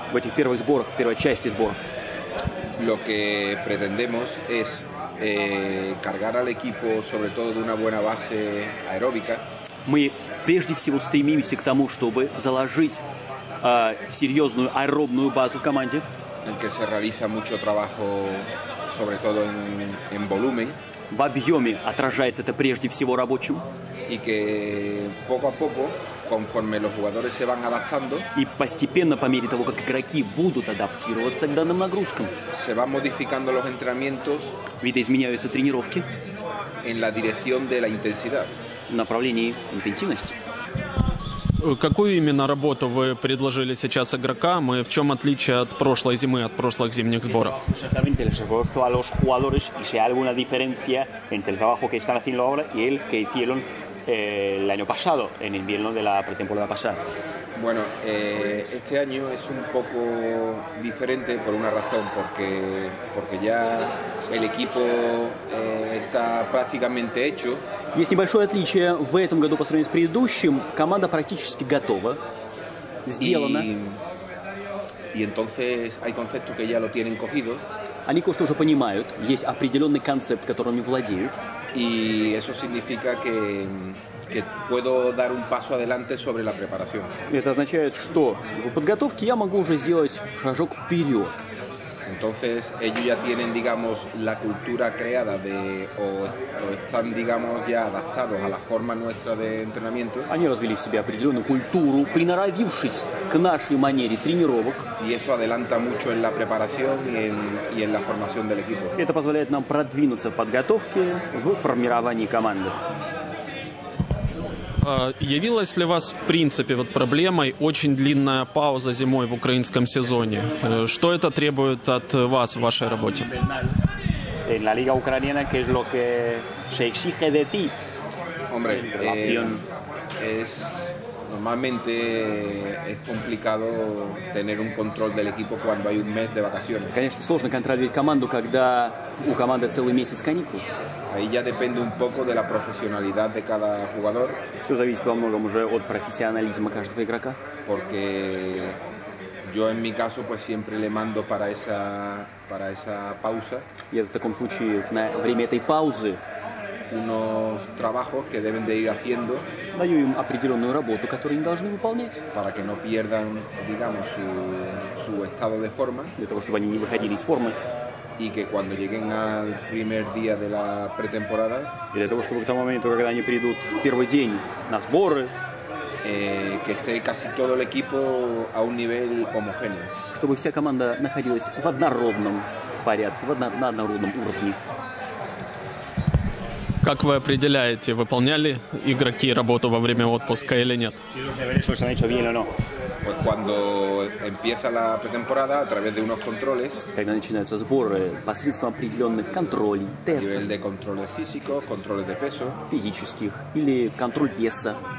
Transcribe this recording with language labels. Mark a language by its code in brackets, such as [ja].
[ru] В этих первых сборах, первой части сбора. [es] Lo que pretendemos es cargar al equipo, sobre todo, de una buena base aeróbica. [ru] Мы прежде всего стремимся к тому, чтобы заложить серьезную аэробную базу команде. [es] En que se realiza mucho trabajo, sobre todo en volumen. [ru] В объеме отражается это прежде всего рабочим. [es] Y que poco a poco, conforme los jugadores se van adaptando. [ru] И постепенно, по мере того, как игроки будут адаптироваться к данным нагрузкам. [es] Se van modificando los entrenamientos. [ru] Видоизменяются тренировки. [es] En la dirección de la intensidad. [ru] В направлении интенсивности. Какую именно работу вы предложили сейчас игрокам и в чем отличие от прошлой зимы, от прошлых зимних сборов? [es] Exactamente, les propuesto a los jugadores y si hay alguna diferencia entre el trabajo que están haciendo ahora y el que hicieron el año pasado, en invierno de la pretemporada pasada. Bueno, este año es un poco diferente por una razón, porque ya el equipo está prácticamente hecho. [ru] Есть небольшое отличие в этом году по сравнению с предыдущим. Команда практически готова, сделана. [es] Y entonces hay conceptos que ya lo tienen cogido. [ru] Они кое-что уже понимают. Есть определенный концепт, которым они владеют. [es] Y eso significa que puedo dar un paso adelante sobre la preparación. [ru] Это означает, что в подготовке я могу уже сделать шажок вперед. [es] Entonces ellos ya tienen, digamos, la cultura creada de o están, digamos, ya adaptados a la forma nuestra de entrenamiento. [ru] Они развили в себе определенную культуру, приноровившись к нашей манере тренировок. [es] Y eso adelanta mucho en la preparación y en la formación del equipo. [ru] Это позволяет нам продвинуться в подготовке, в формировании команды. Явилась ли вас, в принципе, вот проблемой очень длинная пауза зимой в украинском сезоне? Что это требует от вас в вашей работе? [es] En la liga ucraniana, ¿qué es lo que se exige de ti? Hombre, es normalmente es complicado tener un control del equipo cuando hay un mes de vacaciones. [ru] Конечно, сложно контролировать команду, когда у команды целый месяц каникул. [es] Ahí ya depende un poco de la profesionalidad de cada jugador. [ru] Все зависит во многом уже от профессионализма каждого игрока. [es] Porque yo en mi caso pues siempre le mando para esa pausa. [ru] Я в таком случае на время этой паузы [es] unos trabajos que deben de ir haciendo. [ru] Даю им определенную работу, которую они должны выполнять. [es] Para que no pierdan, digamos, su estado de forma. [ru] Для того, чтобы они не выходили из формы. [es] Y que cuando lleguen al primer día de la pretemporada, [ru] y для того, чтобы к тому моменту, когда они придут в первый день на сборы, [es] que esté casi todo el equipo a un nivel homogéneo. [ru] Чтобы вся команда находилась в однородном порядке, на однородном уровне. Как вы определяете, выполняли игроки работу во время отпуска или нет? [es] Pues cuando empieza la pretemporada a través de unos controles. [ru] Когда начинаются сборы посредством определенных контролей, тестов. [es] A nivel de controles físicos, controles de peso. [ru] Физических или контроль веса.